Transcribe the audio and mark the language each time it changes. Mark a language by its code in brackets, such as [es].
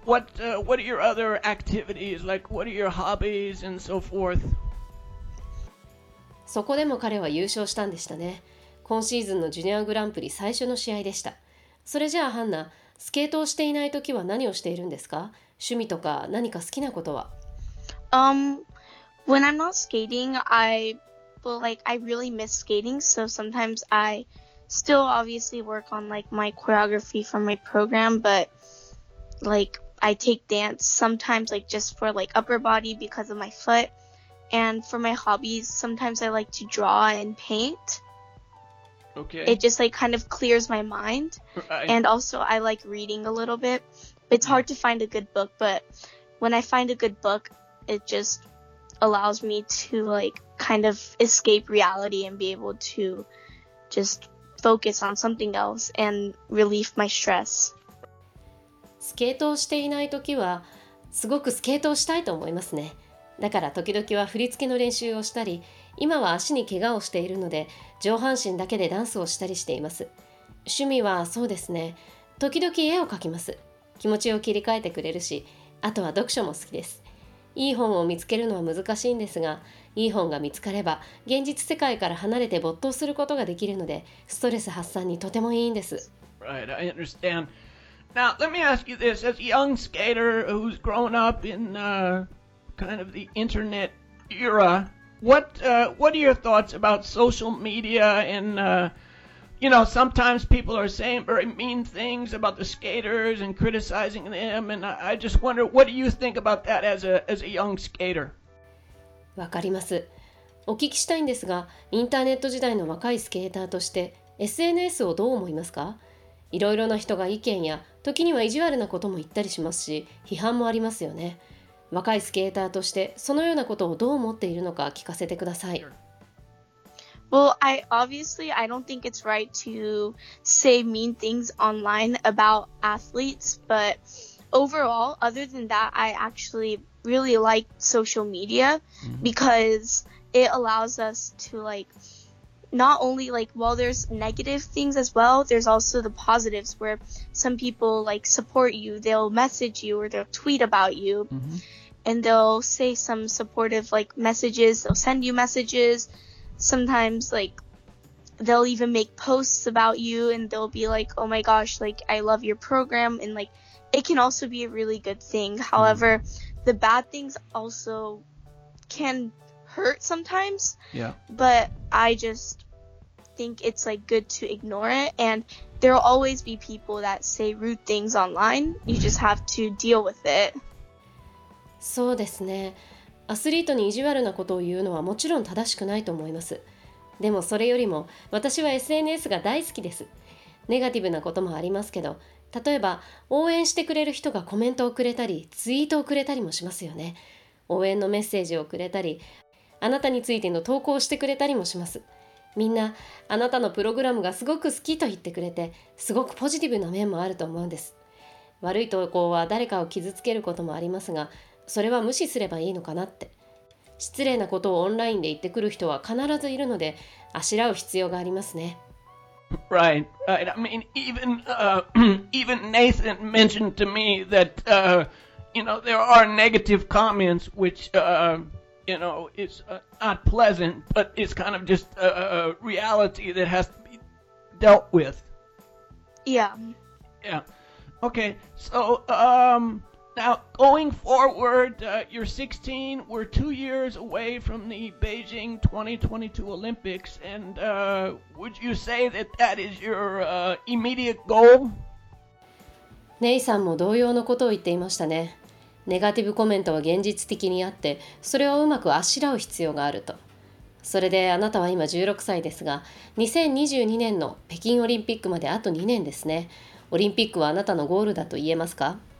[en] What are your other activities? Like, what are your hobbies and so forth? [ja] そこでも彼は優勝したんでしたね。今シーズンのジュニアグランプリ最初の試合でした。それじゃあ、ハンナ、スケートをしていないときは何をしているんですか？趣味とか何か好きなことは？ [en] When I'm not skating, I really miss skating. So sometimes I still obviously work on like my choreography for my program, but like I take dance sometimes, like just for like upper body because of my foot. And for my hobbies, sometimes I like to draw and paint. Okay. It just like kind of clears my mind. Right. And also I like reading a little bit. It's hard to find a good book, but when I find a good book,It just allows me to like kind of escape reality and be able to just focus on something else and relieve my stress. [ja] スケートをしていないときはすごくスケートをしたいと思いますね。だから時々は振り付けの練習をしたり、今は足に怪我をしているので上半身だけでダンスをしたりしています。趣味はそうですね。時々絵を描きます。気持ちを切り替えてくれるし、あとは読書も好きです。いい本を見つけるのは難しいんですが、いい本が見つかれば、現実世界から離れて没頭することができるので、ストレス発散にとてもいいんです。 [en] Right, I understand. Now, let me ask you this. As a young skater who's grown up in kind of the internet era, what are your thoughts about social media and, you know, sometimes people are saying very mean things about the skaters and criticizing them. And I just wonder, what do you think about that as a young skater? [ja] わかります。お聞きしたいんですが、インターネット時代の若いスケーターとして、SNS をどう思いますか? いろいろな人が意見や時には意地悪なことも言ったりしますし、批判もありますよね。若いスケーターとしてそのようなことをどう思っているのか聞かせてください。 [en] Well, I don't think it's right to say mean things online about athletes, but overall, other than that, I actually really like social media because it allows us to like not only like, well, there's negative things as well, there's also the positives where some people like support you, they'll message you or they'll tweet about you. And they'll say some supportive like messages, they'll send you messages. Sometimes like they'll even make posts about you and they'll be like, oh my gosh, like I love your program. And like it can also be a really good thing. However, the bad things also can hurt sometimes. Yeah. But I just think it's like good to ignore it. And there will always be people that say rude things online. You just have to deal with it. [ja] そうですね。アスリートに意地悪なことを言うのはもちろん正しくないと思います。でもそれよりも私は SNS が大好きです。ネガティブなこともありますけど、例えば応援してくれる人がコメントをくれたりツイートをくれたりもしますよね。応援のメッセージをくれたり、あなたについての投稿をしてくれたりもします。みんなあなたのプログラムがすごく好きと言ってくれて、すごくポジティブな面もあると思うんです。悪い投稿は誰かを傷つけることもありますが、それは無視すればいいのかなって。失礼なことをオンラインで言ってくる人は必ずいるので、あしらう必要がありますね。 [en] Right, right. I mean, even Nathan mentioned to me that, you know, there are negative comments, which, you know, is not pleasant, but it's kind of just a reality that has to be dealt with. Yeah. Yeah. Okay, so, Now, going forward, you're 16, we're 2 years away from the Beijing 2022 Olympics, and would you say that that is your immediate goal? [ja] ネイさんも同様のことを言っていましたね。ネガティブコメントは現実的にあって、それをうまくあしらう必要があると。それであなたは今16歳ですが、2022年の北京オリンピックまであと2年ですね。オリンピックはあなたのゴールだと言えますか？